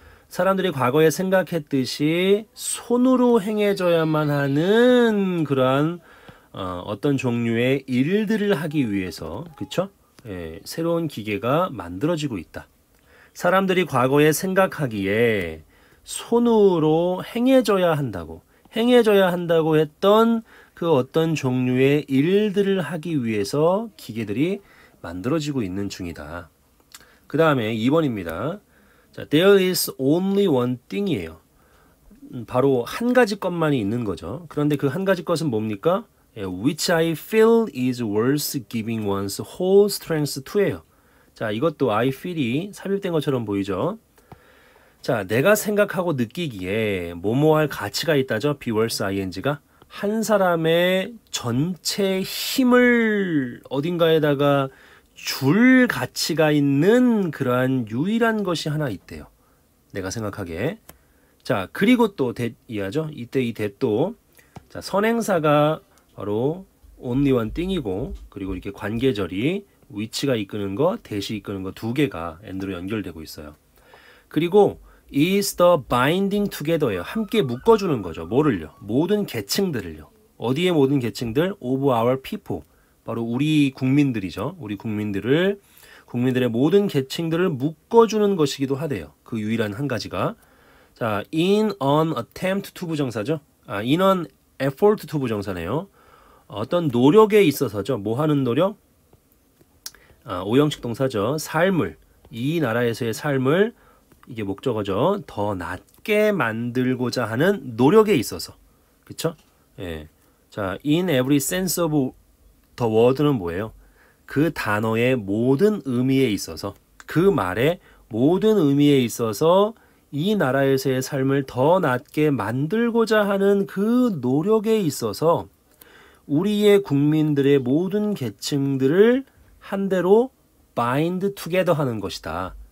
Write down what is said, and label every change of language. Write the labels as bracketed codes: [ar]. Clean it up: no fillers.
[ko] 사람들이 과거에 생각했듯이 손으로 행해져야만 하는 그러한 어떤 종류의 일들을 하기 위해서, 그렇죠? 예, 새로운 기계가 만들어지고 있다. 사람들이 과거에 생각하기에 손으로 행해져야 한다고, 행해져야 한다고 했던 그 어떤 종류의 일들을 하기 위해서 기계들이 만들어지고 있는 중이다. 그 다음에 2번입니다. [en] 자, there is only one thing이에요. [ko] 바로 한 가지 것만이 있는 거죠. 그런데 그 한 가지 것은 뭡니까? [en] Which I feel is worth giving one's whole strength to예요. [ko] 자, 이것도 I feel이 삽입된 것처럼 보이죠. 자, 내가 생각하고 느끼기에 뭐뭐할 가치가 있다죠. be worth ing가 한 사람의 전체 힘을 어딘가에다가 줄 가치가 있는 그러한 유일한 것이 하나 있대요. 내가 생각하기에. 자, 그리고 또 that 이하죠. 이때 이 that도 자, 선행사가 바로 [en] only one thing [ko] 이고 그리고 이렇게 관계절이 which가 이끄는 거, that이 이끄는 거 두 개가 and로 연결되고 있어요. 그리고 [en] is the binding together예요. [ko] 함께 묶어주는 거죠. 뭐를요? 모든 계층들을요. 어디에 모든 계층들? [en] of our people. [ko] 바로 우리 국민들이죠. 우리 국민들을, 국민들의 모든 계층들을 묶어주는 것이기도 하대요. 그 유일한 한 가지가. [en] 자, in an attempt to 부정사죠. 아, in an effort to 부정사네요. [ko] 어떤 노력에 있어서죠. 뭐 하는 노력? 아, 오형식 동사죠. 삶을, 이 나라에서의 삶을, 이게 목적어죠. 더 낮게 만들고자 하는 노력에 있어서. 그쵸? 예. [en] 자, in every sense of the word는 뭐예요? [ko] 그 단어의 모든 의미에 있어서, 그 말의 모든 의미에 있어서 이 나라에서의 삶을 더 낫게 만들고자 하는 그 노력에 있어서 우리의 국민들의 모든 계층들을 한대로 [en] bind together [ko] 하는 것이다.